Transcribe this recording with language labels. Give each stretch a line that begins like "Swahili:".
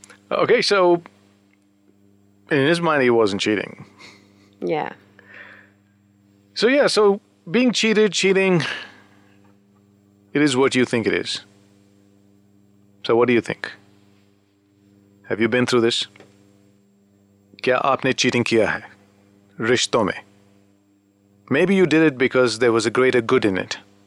English: Okay, so in his mind, he wasn't cheating. Yeah. So, yeah, so being cheating, it is what you think it is. So what do you think? Have you been through this?
Hindi: क्या आपने cheating किया है? रिश्तों में।
English: Maybe you did it because there was a greater good in it.